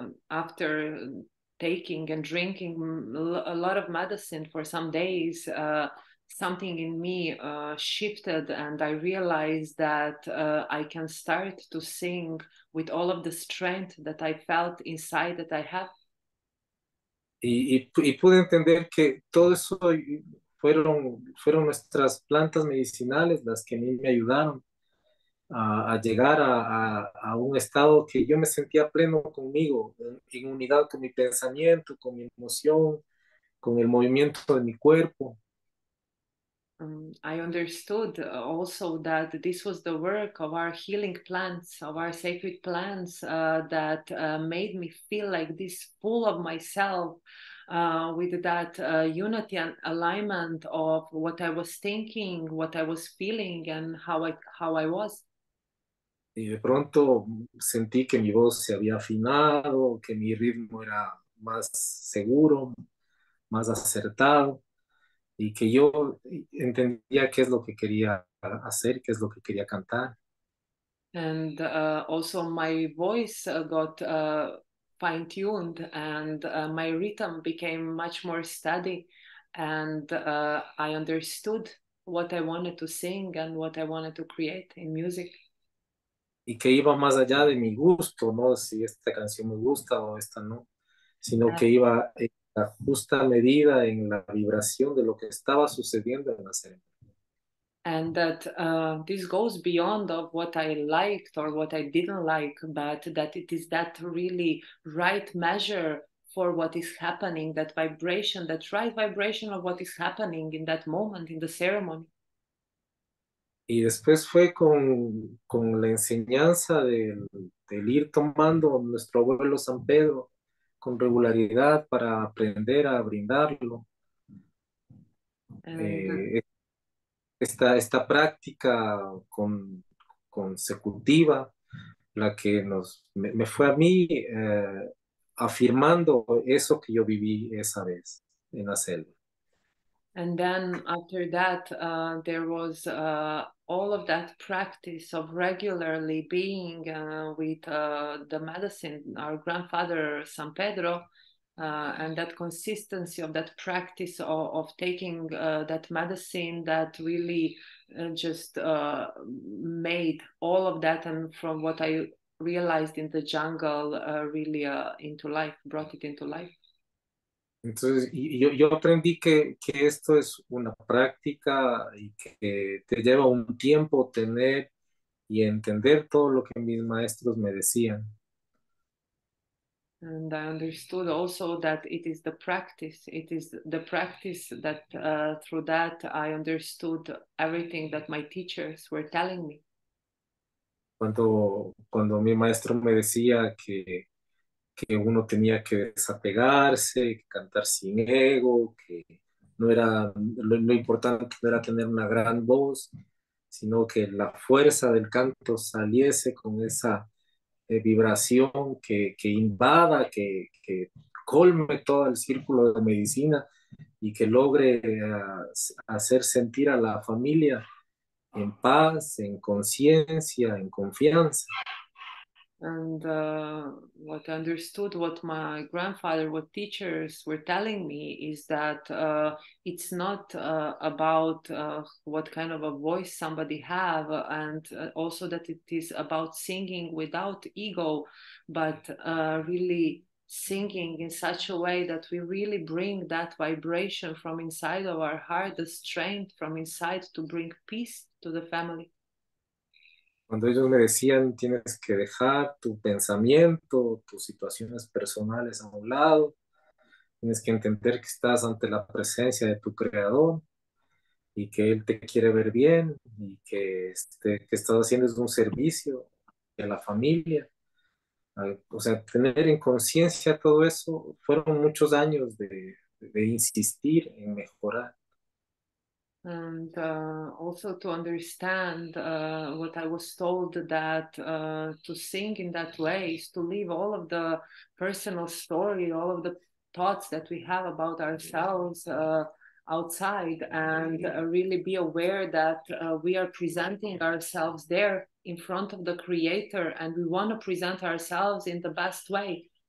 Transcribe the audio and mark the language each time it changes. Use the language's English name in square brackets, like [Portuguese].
[English] After taking and drinking a lot of medicine for some days, something in me shifted and I realized that I can start to sing with all of the strength that I felt inside that I have. [Spanish] Y pude entender que todo eso fueron nuestras plantas medicinales las que a mí me ayudaron a llegar a un estado que yo me sentía pleno conmigo, en unidad con mi pensamiento, con mi emoción, con el movimiento de mi cuerpo. [English] I understood also that this was the work of our healing plants, of our sacred plants, that made me feel like this full of myself, with that unity and alignment of what I was thinking, what I was feeling, and how I was. [Spanish] Y de pronto sentí que mi voz se había afinado, que mi ritmo era más seguro, más acertado. y que yo entendía qué es lo que quería hacer, qué es lo que quería cantar. [English] And also my voice got fine-tuned and my rhythm became much more steady and I understood what I wanted to sing and what I wanted to create in music. [Spanish] Y que iba más allá de mi gusto, ¿no? Si esta canción me gusta o esta no, sino que iba en la justa medida, en la vibración de lo que estaba sucediendo en la ceremonia. [English] And that this goes beyond of what I liked or what I didn't like, but that it is that really right measure for what is happening, that vibration, that right vibration of what is happening in that moment, in the ceremony. [Spanish] Y después fue con la enseñanza del ir tomando nuestro abuelo San Pedro con regularidad para aprender a brindarlo. Esta práctica consecutiva, la que me fue a mí afirmando eso que yo viví esa vez en la selva. [English] And then after that, there was all of that practice of regularly being with the medicine, our grandfather San Pedro, and that consistency of that practice of taking that medicine that really just made all of that, and from what I realized in the jungle, really into life, brought it into life. [Spanish] Entonces, yo aprendí que esto es una práctica y que te lleva un tiempo tener y entender todo lo que mis maestros me decían. [English] And I understood also that it is the practice. It is the practice that through that I understood everything that my teachers were telling me. [Spanish] Cuando mi maestro me decía que uno tenía que desapegarse, que cantar sin ego, que no era lo importante no era tener una gran voz, sino que la fuerza del canto saliese con esa vibración que invada, que colme todo el círculo de medicina y que logre hacer sentir a la familia en paz, en conciencia, en confianza. [English] And what I understood, what my grandfather, what teachers were telling me is that it's not about what kind of a voice somebody have, and also that it is about singing without ego, but really singing in such a way that we really bring that vibration from inside of our heart, the strength from inside to bring peace to the family. [Spanish] Cuando ellos me decían, tienes que dejar tu pensamiento, tus situaciones personales a un lado, tienes que entender que estás ante la presencia de tu creador y que él te quiere ver bien y que que estás haciendo es un servicio a la familia. O sea, tener en conciencia todo eso fueron muchos años de insistir en mejorar. [English] And also to understand what I was told, that to sing in that way is to leave all of the personal story, all of the thoughts that we have about ourselves outside, and really be aware that we are presenting ourselves there in front of the Creator, and we want to present ourselves in the best way,